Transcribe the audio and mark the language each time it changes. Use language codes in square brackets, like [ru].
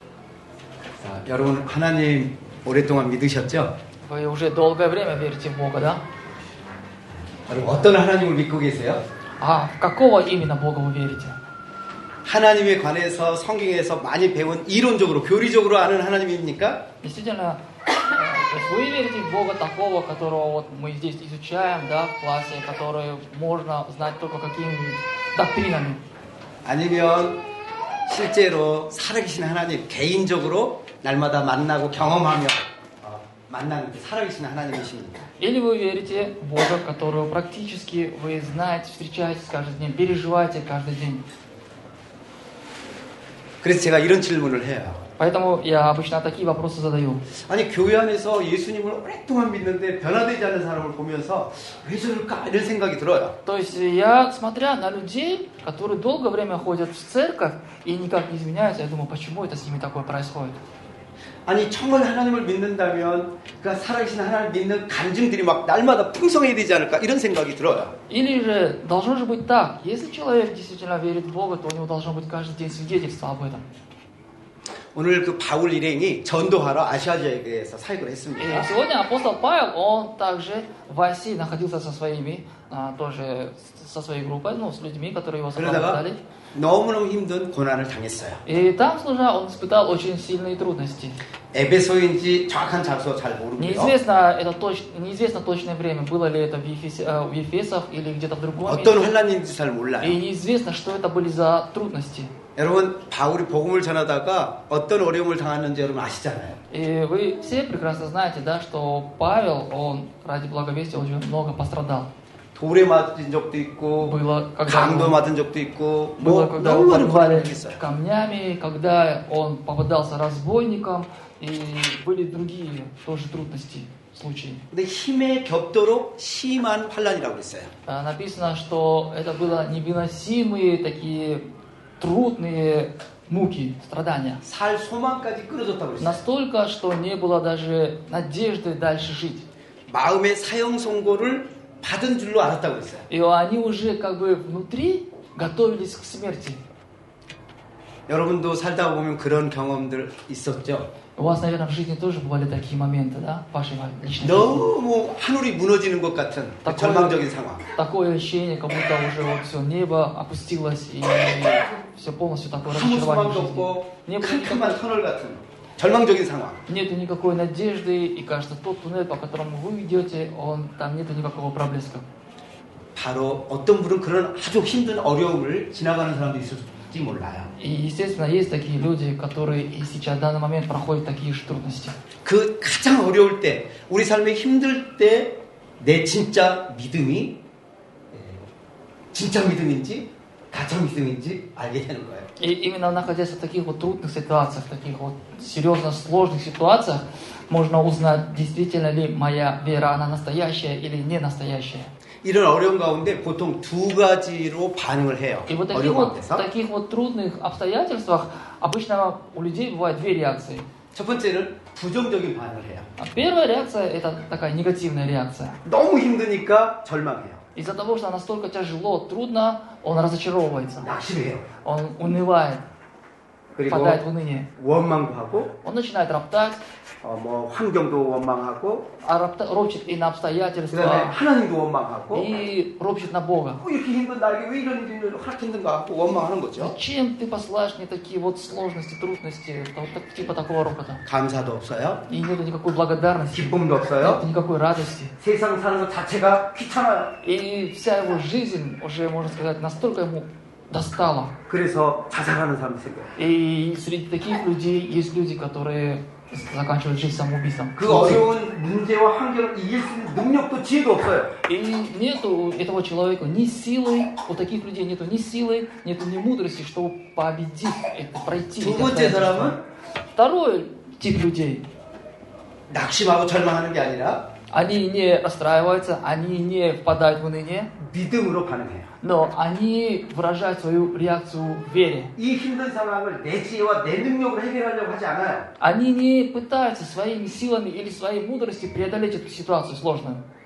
[ko] 자, 여러분 하나님 오랫동안 믿으셨죠? 여러분 어떤 하나님을 믿고 계세요? [ru] 아, какого именно Бога вы верите? [ko] 하나님에 관해서 성경에서 많이 배운 이론적으로 교리적으로 아는 하나님입니까? [ru] Вы верите в Бога такого, которого вот мы здесь изучаем, да, в классе, который можно знать только какими доктринами? [ko] 아니면 실제로 살아계신 하나님 개인적으로 날마다 만나고 경험하며 만나는 살아계신 하나님이십니까? [ru] Или вы верите в Бога, которого практически вы знаете, встречаетесь каждый день, переживаете каждый день? [ko] 그래서 제가 이런 질문을 해요. [ru] Поэтому я обычно такие вопросы задаю. [ko] 아니 교회 안에서 예수님을 오랫동안 믿는데 변화되지 않는 사람을 보면서 왜 저럴까 이런 생각이 들어요. [ru] То есть я смотря на людей, которые долгое время ходят в церковь и никак не изменяются, я думаю, почему это с ними такое происходит? [ko] 아니 정말 하나님을 믿는다면 그 살아계신 하나님을 믿는 간증들이 막 날마다 풍성해야 되지 않을까 이런 생각이 들어요. [ru] Или же должно же быть так. Если человек действительно верит в Бога, то у него должно быть каждый день свидетельство об этом. [ko] 오늘 그 바울 일행이 전도하러 아시아 지역에서 사역을 했습니다. [ru] 예, сегодня апостол Павел он также в Азии находился со своими, тоже со своей группой, ну, с людьми, которые его сопровождали. [ko] 너무너무 힘든 고난을 당했어요. [ru] 예, там служа он испытал очень сильные трудности. [ko] 에베소인지 정확한 장소 잘 모릅니다. [ru] Неизвестно точное время, было ли это в Ефесах или где-то в другом. [ko] 어떤 환란인지 잘 몰라요. [ru] 예, неизвестно, что это были за трудности. [ko] 여러분 바울이 복음을 전하다가 어떤 어려움을 당했는지 여러분 아시잖아요. [ru] 예, вы все прекрасно знаете, да, что Павел он ради благовестия очень много пострадал. [ko] 돌에 맞은 적도 있고, [ru] было, [ko] 강도 맞은 적도 있고, 너무 많은 고난을 당했어요. [ru] Камнями, когда он попадался разбойником и были другие тоже трудности. [ko] 근데 힘의 겹도로 심한 환난이라고 했어요. [ru] Написано, что это было невыносимые такие трудные муки, страдания. [ko] 살 소망까지 끊어졌다고 했어요. [ru] Настолько, что не было даже надежды дальше жить. [ko] 마음의 사형 선고를 받은 줄로 알았다고 했어요. [ru] И они уже как бы внутри готовились к смерти. [ko] 여러분도 살다 보면 그런 경험들 있었죠? [ru] У вас, наверное, в жизни тоже бывали такие моменты, да? В вашей личной жизни. [ko] 너무 하늘이 무너지는 것 같은 [ru] такое, [ko] 절망적인 상황. [ru] Такое ощущение, как будто уже вот все небо опустилось и все полностью такое разочарование в жизни. [ko] 캄캄한 터널 같은 절망적인 상황. [ru] Нету никакой надежды, и кажется, тот туннель, по которому вы идете, он там нету никакого проблеска. [ko] 바로 어떤 분은 그런 아주 힘든 어려움을 지나가는 사람도 있었어요. [ru] И естественно есть такие люди, которые и сейчас в данный момент проходят такие же трудности. [ko] 그 가장 어려울 때, 우리 삶에 힘들 때, 내 진짜 믿음이 진짜 믿음인지 가짜 믿음인지 알게 되는 거예요. [ru] И именно находясь в таких вот трудных ситуациях, в таких вот серьезно сложных ситуациях, можно узнать действительно ли моя вера она настоящая или не настоящая. [ko] 이런 어려운 가운데 보통 두 가지로 반응을 해요. 어려운 상황에서. 이런 [ru] таких вот трудных обстоятельствах обычно у людей бывает две реакции. [ko] 첫 번째는 부정적인 반응을 해요. [ru] Первая реакция это такая негативная реакция. [ko] 너무 힘드니까 절망해요. [ru] Из-за того, что настолько тяжело, трудно, он разочаровывается. [ko] 낙심해요. [ru] Он унывает. [ko] 그리고 [ru] впадает в уныние. [ko] 원망도 하고. [ru] Он начинает роптать. [ko] 뭐 환경도 원망하고 [ru] ропщит и на обстоятельства. [ko] 그다음에 하나님도 원망하고 [ru] и ропщит на Бога. [ko] 왜 이렇게 힘든 나에게 왜 이런 일이 그렇게 힘든가 하고 원망하는 거죠. [ru] Зачем ты посылаешь мне такие вот сложности, трудности, типа такого рокота? [ko] 감사도 없어요. [ru] И нету никакой благодарности. [ko] 기쁨도 없어요. [ru] Нет никакой радости. [ko] 세상 사는 것 자체가 귀찮아요. [ru] И вся его жизнь уже, можно сказать, настолько ему достала. [ko] 그래서 자살하는 사람 생겨요. [ru] И среди таких людей есть люди, которые заканчивают жизнь самоубийством. [ko] 그 어려운 문제와 환경을 이길 수 있는 능력도 지혜도 없어요. [ru] И нет у этого человека ни силы, у таких людей нету ни силы, нету ни мудрости, чтобы победить это, пройти. [ko] 두 번째 사람은 [ru] второй тип людей. [ko] 낙심하고 절망하는 게 아니라 [ru] они не расстраиваются, они не впадают в уныние. [ko] 믿음으로 반응해요. [ru] Но они выражают свою реакцию в вере. [ko] 이 힘든 상황을 내 지혜와 내 능력으로 해결하려고 하지 않아요. [ru] Они не пытаются своими силами или своей мудростью преодолеть эту ситуацию сложную.